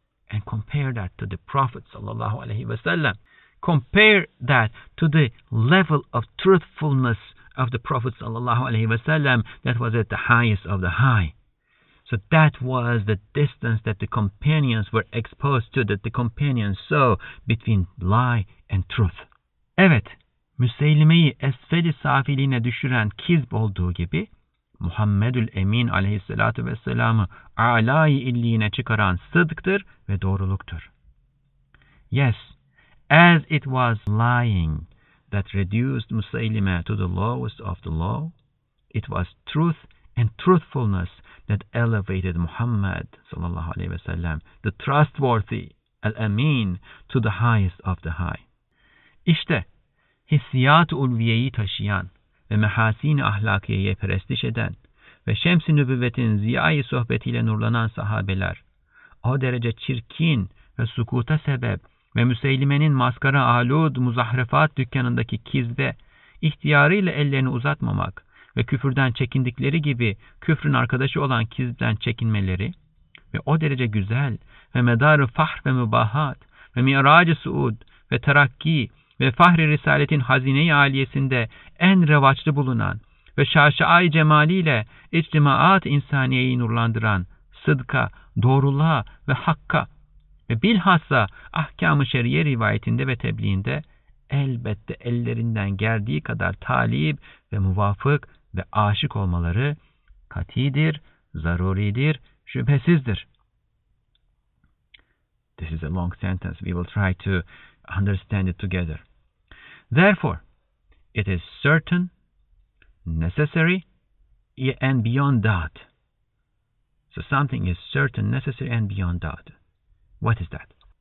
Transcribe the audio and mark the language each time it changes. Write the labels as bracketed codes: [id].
[en] And compare that to the Prophet sallallahu alaihi wasallam. Compare that to the level of truthfulness of the Prophet sallallahu alaihi wasallam that was at the highest of the high. So that was the distance that the companions were exposed to, that the companions saw between lie and truth. [tr] Evet, Müseylime'yi esfeli safiliğine düşüren kizb olduğu gibi, Muhammedül Emin aleyhissalatu vesselam'ı âlâ-i illiğine çıkaran sıdktır ve doğruluktur. [en] Yes, as it was lying that reduced Müseylime to the lowest of the low, it was truth and truthfulness that elevated Muhammad sallallahu alaihi wasallam, the trustworthy al-Amin, to the highest of the high. [tr] İşte hissiyat-ı ulviyeyi taşıyan ve mehasin-i ahlakiyeye perestiş eden ve şems-i nübüvvetin ziyai sohbetiyle nurlanan sahabeler, o derece çirkin ve sukuta sebep ve Müseylime'nin maskara alud muzahrefat dükkanındaki kizbe ihtiyarıyla ellerini uzatmamak ve küfürden çekindikleri gibi küfrün arkadaşı olan kizbden çekinmeleri ve o derece güzel ve medar-ı fahr ve mübahat ve mirac-ı suud ve terakki ve fahr-ı risaletin hazine-i aliyesinde en revaçlı bulunan ve şaşaa-i cemaliyle içtimaat insaniyeyi nurlandıran sıdka, doğruluğa ve hakka ve bilhassa ahkam-ı şer'iye rivayetinde ve tebliğinde elbette ellerinden geldiği kadar talip ve muvafık ve aşık olmaları katidir, zaruridir, şüphesizdir. [en] This is a long sentence. We will try to understand it together. Therefore, it is certain, necessary, and beyond doubt. So something is certain, necessary, and beyond doubt. What is that?